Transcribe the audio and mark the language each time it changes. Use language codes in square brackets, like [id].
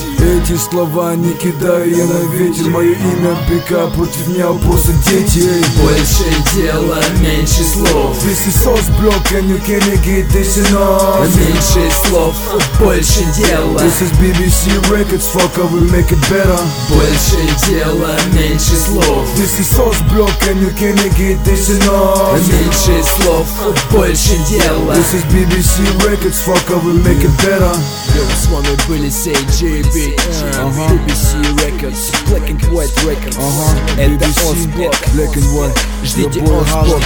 [ru] Эти слова не кидаю я на ветер. Мое имя пика, против меня просто дети. Больше дела, меньше слов. [en] This is Osblock and you can't get this enough. [ru] Меньше слов, больше дела. [en] This is BBC Records, fucker, we make it better. [ru] Больше дела, меньше слов. [en] This is Osblock and you can't get this enough. [ru] Меньше слов, больше дела. [en] This is BBC Records, fucker, we make it better. [ru] Yo, с вами были CJB, BBC Records, Black and White Records. Это Osblock, [en] Black and White. [ru] Ждите Osblock,